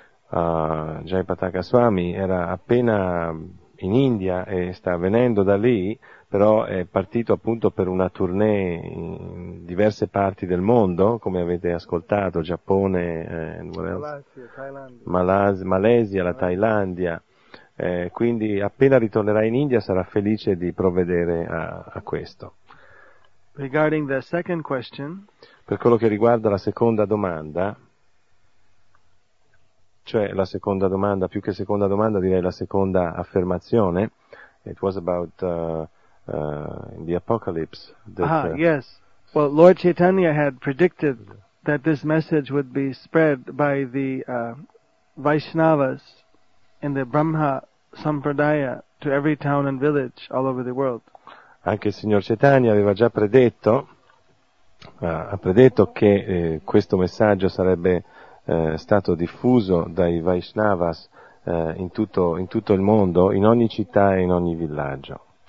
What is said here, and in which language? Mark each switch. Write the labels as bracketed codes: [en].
[it] Jai Pataka Swami era appena in India e sta venendo da lì, però è partito appunto per una tournée in diverse parti del mondo, come avete ascoltato, Giappone, Malesia, la Thailandia. Quindi appena ritornerà in India sarà felice di provvedere a questo. [en] Regarding the second question, [it] per quello che riguarda la seconda domanda, cioè la seconda domanda, più che seconda domanda direi la seconda affermazione. [en] It was about in the apocalypse. Yes. Well, Lord Chaitanya had predicted that this message would be spread by the Vaishnavas in the Brahma Sampradaya to every town and village all over the world. [it] Anche il signor Chaitanya aveva già predetto, ha predetto che questo messaggio sarebbe stato diffuso dai Vaishnavas in tutto il mondo, in ogni città e in ogni villaggio.